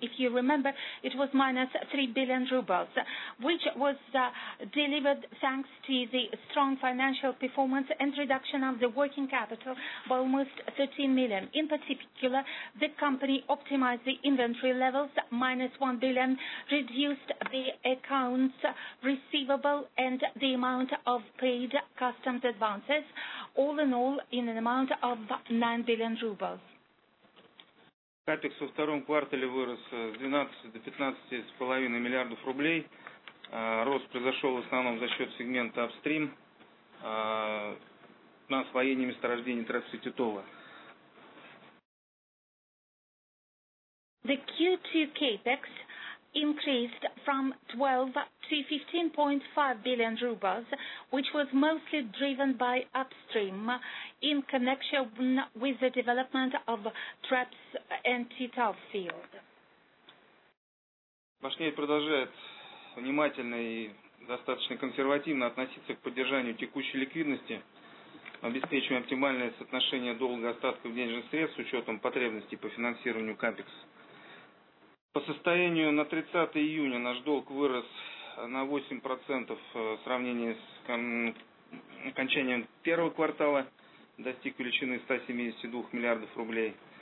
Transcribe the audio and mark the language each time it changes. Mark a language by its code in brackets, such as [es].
[en] If you remember, it was minus 3 billion rubles, which was delivered thanks to the strong financial performance and reduction of the working capital by almost 13 million. In particular, the company optimized the inventory levels, minus 1 billion, reduced the accounts receivable and the amount of paid customs advances, all in all in an amount of 9 billion rubles. [ru] CAPEX во втором квартале вырос с 12 до 15,5 миллиардов рублей. Рост произошел в основном за счет сегмента upstream на освоение месторождений Транссититола. [en] The Q2 CAPEX increased from 12 to 15.5 billion rubles, which was mostly driven by upstream in connection with the development of TRAPS and TTOP field. [ru] Башнефть продолжает внимательно и достаточно консервативно относиться к поддержанию текущей ликвидности, обеспечивая оптимальное соотношение долга остатков денежных средств с учетом потребностей по финансированию CAPEX. По состоянию на 30 июня наш долг вырос на 8% в сравнении с окончанием первого квартала, достиг величины 172 миллиардов рублей.